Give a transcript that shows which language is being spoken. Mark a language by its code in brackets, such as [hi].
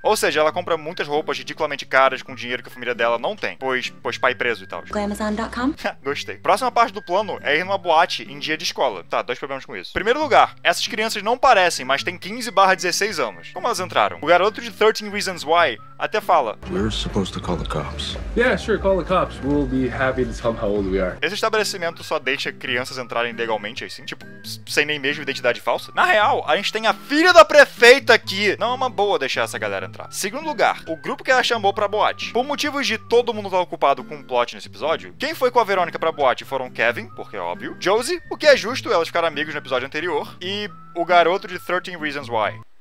[pt] Ou seja, ela compra muitas roupas ridiculamente caras com dinheiro que a família dela não tem, pois pai preso e tal. Glamazon.com? Gostei. Próxima parte do plano é ir numa boate em dia de escola. Tá, dois problemas com isso. Primeiro lugar, essas crianças não parecem, mas têm 15/16 anos. Como elas entraram? O garoto de 13 Reasons Why até fala: [en] "We're supposed to call the cops." "Yeah, sure, call the cops. We'll be happy to tell how old we are." [pt] Esse estabelecimento só deixa crianças entrarem legalmente, assim? Tipo, sem nem mesmo identidade falsa? Na real, a gente tem a filha da prefeita aqui. Não é uma boa deixar essa galera entrar. Segundo lugar, o grupo que ela chamou pra boate. Por motivos de todo mundo estar ocupado com um plot nesse episódio, quem foi com a Verônica pra boate foram Kevin, porque é óbvio, Josie, o que é justo, elas ficaram amigas no episódio anterior, e o garoto de 13 Reasons Why.